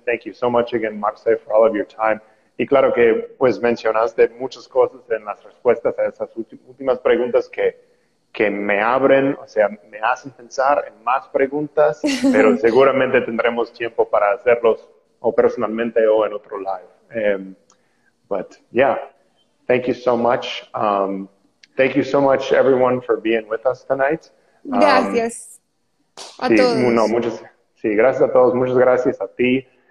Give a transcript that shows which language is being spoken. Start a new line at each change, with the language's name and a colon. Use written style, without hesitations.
English: Thank you so much again, Marce, for all of your time.
Spanish: Y claro que pues mencionaste muchas cosas en las respuestas a esas últimas preguntas que me abren, o sea, me hacen pensar en más preguntas, pero seguramente tendremos tiempo para hacerlos o personalmente o en otro live.
English: But yeah, thank you so much. Thank you so much, everyone, for being with us tonight.
Spanish: Gracias a Sí, no, todos. muchas, sí, gracias a todos, muchas gracias a ti.